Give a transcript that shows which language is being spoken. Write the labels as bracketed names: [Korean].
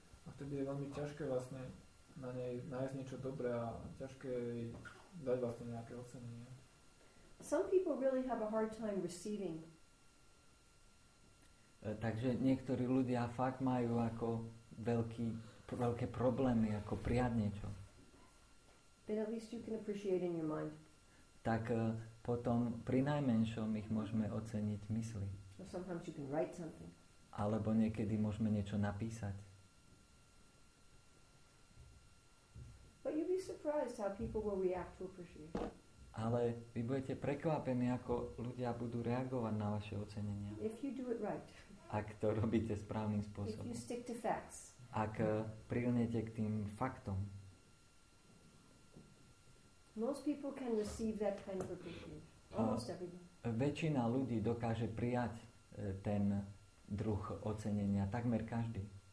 [Slovak] A vtedy je veľmi ťažké vlastne na nej nájsť niečo dobré a ťažké dať vlastne nejaké ocenenie. [English] Some people really have a hard time receiving. [Slovak] Takže niektorí ľudia fakt majú ako veľké problémy ako prijať niečo. [English] then at least you can appreciate in your mind. [Slovak] Tak potom pri najmenšom ich môžeme oceniť v mysli. [English] Or sometimes you can write something. [Slovak] Alebo niekedy môžeme niečo napísať. [English] But you'd be surprised how people will react to appreciation. [Slovak] Ale vy budete prekvapení, ako ľudia budú reagovať na vaše ocenenia. [English] If you do it right. [Slovak] Ak to robíte správnym spôsobom. [English] If you stick to facts. [Slovak] Ak prilnete k tým faktom. [English] Most people can receive that kind of appreciation. Almost everybody. [Slovak] Väčšina ľudí dokáže prijať ten druh ocenenia, takmer každý.